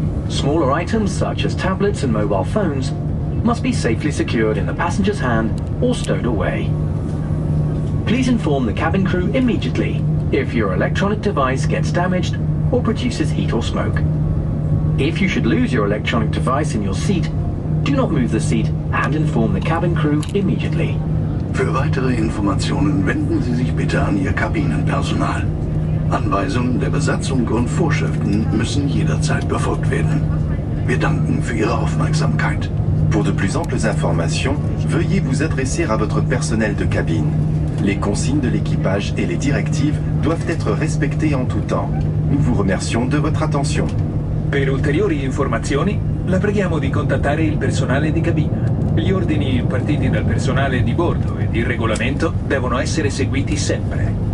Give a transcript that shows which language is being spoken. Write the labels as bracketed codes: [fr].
[en] Smaller items such as tablets and mobile phones must be safely secured in the passenger's hand or stowed away. Please inform the cabin crew immediately if your electronic device gets damaged or produces heat or smoke. If you should lose your electronic device in your seat, do not move the seat and inform the cabin crew immediately. [de] Für weitere Informationen wenden Sie sich bitte an Ihr Kabinenpersonal. Anweisungen der Besatzung und Vorschriften müssen jederzeit befolgt werden. Wir danken für Ihre Aufmerksamkeit. [fr] Pour de plus amples informations, veuillez vous adresser à votre personnel de cabine. Les consignes de l'équipage et les directives doivent être respectées en tout temps. Nous vous remercions de votre attention. [it] Per ulteriori informazioni, la preghiamo di contattare il personale di cabina. Gli ordini impartiti dal personale di bordo e di regolamento devono essere seguiti sempre.